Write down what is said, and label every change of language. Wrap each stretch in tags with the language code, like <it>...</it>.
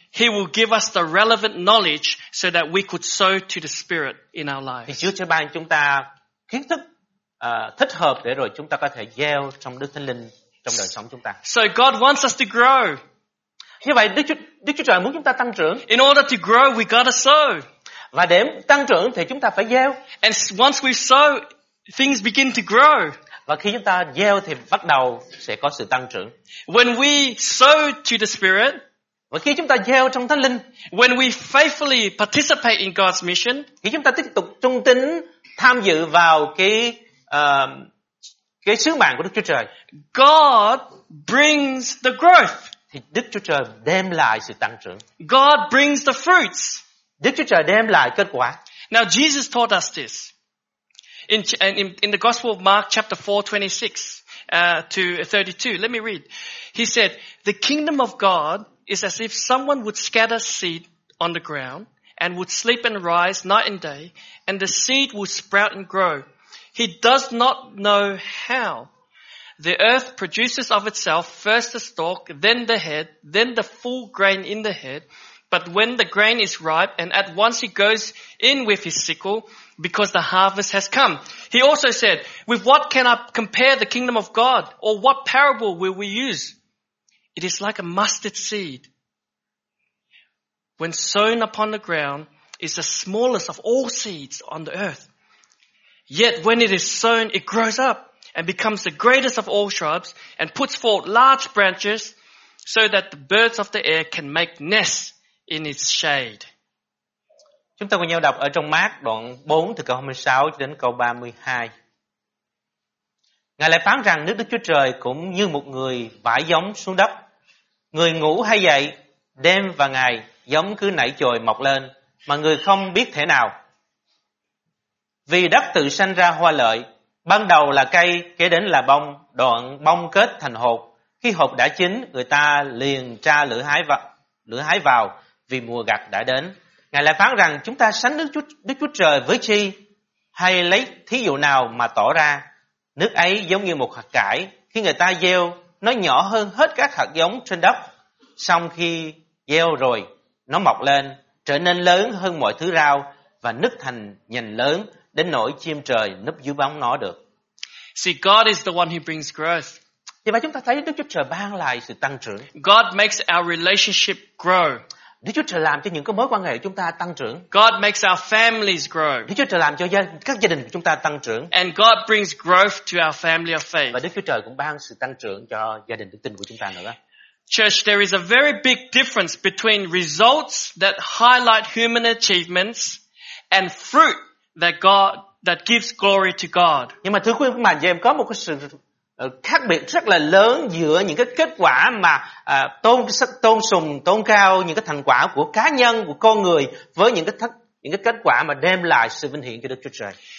<en>He will give us the relevant knowledge so that we could sow to the Spirit in our lives.</en> <vi>Thì Chúa sẽ ban chúng ta kiến thức thích hợp để rồi chúng ta có thể gieo trong Đức Thánh Linh trong đời sống chúng ta.</vi> <en>So God wants us to grow.</en> <vi>Như vậy Đức Chúa Trời muốn chúng ta tăng trưởng.</vi> <en>In order to grow, we gotta sow.</en> <vi>Và để tăng trưởng thì chúng ta phải gieo.</vi> <en>And once we sow, things begin to grow.</en> <vi>Và khi chúng ta gieo thì bắt đầu sẽ có sự tăng trưởng.</vi> <en>When we sow to the Spirit,</en> <vi>và khi chúng ta gieo trong Thánh Linh,</vi> <en>when we faithfully participate in God's mission,</en> <vi>khi chúng ta tiếp tục trung tín tham dự vào cái sứ mạng của Đức Chúa Trời,</vi> <en>God brings the growth,</en> <vi>thì Đức Chúa Trời đem lại sự tăng trưởng.</vi> <en>God brings the fruits,</en> <vi>Đức Chúa Trời đem lại kết quả.</vi> <en>Now Jesus taught us this in the Gospel of Mark chapter 4:26 to 32. Let me read. He said, "The kingdom of God is as if someone would scatter seed on the ground and would sleep and rise night and day, and the seed would sprout and grow. He does not know how. The earth produces of itself first the stalk, then the head, then the full grain in the head. But when the grain is ripe, and at once he goes in with his sickle, because the harvest has come." He also said, "With what can I compare the kingdom of God? Or what parable will we use? It is like a mustard seed. When sown upon the ground, is the smallest of all seeds on the earth. Yet when it is sown, it grows up and becomes the greatest of all shrubs and puts forth large branches so that the birds of the air can make nests in its shade."</en> <vi>Chúng ta cùng nhau đọc ở trong Mác đoạn 4 từ câu 26 đến câu 32. Ngài lại phán rằng nước Đức Chúa Trời cũng như một người vải giống xuống đất. Người ngủ hay dậy, đêm và ngày giống cứ nảy chồi mọc lên mà người không biết thế nào. Vì đất tự sanh ra hoa lợi, ban đầu là cây, kế đến là bông, đoạn bông kết thành hột. Khi hột đã chín, người ta liền tra lửa hái vào, vì mùa gặt đã đến. Ngài lại phán rằng chúng ta sánh Đức Chúa Trời với chi? Hay lấy thí dụ nào mà tỏ ra? Nước ấy giống như một hạt cải, khi người ta gieo, nó nhỏ hơn hết các hạt giống trên đất. Song khi gieo rồi, nó mọc lên, trở nên lớn hơn mọi thứ rau và nứt thành nhành lớn, đến nỗi chim trời núp dưới bóng nó được.</vi> <en>See, God is the one who brings growth.</en> <vi>Thì mà chúng ta thấy Đức Chúa Trời ban lại sự tăng trưởng.</vi> <en>God makes our relationship grow.</en> <vi>Đức Chúa Trời làm cho những cái mối quan hệ của chúng ta tăng trưởng.</vi> <en>God makes our families grow.</en> <vi>Đức Chúa Trời làm cho các gia đình của chúng ta tăng trưởng.</vi> <en>And God brings growth to our family of faith.</en> <vi>Và Đức Chúa Trời cũng ban sự tăng trưởng cho gia đình đức tin của chúng ta nữa.</vi> <en>Church, there is a very big difference between results that highlight human achievements and fruit that God that gives glory to God.</en> <vi>Nhưng mà thưa quý bạn và em, có một cái sự khác biệt rất là lớn giữa những cái kết quả mà tôn sùng, tôn cao những cái thành quả của cá nhân, của con người với những cái kết quả mà đem lại sự vinh hiển cho Đức Chúa Trời.</vi>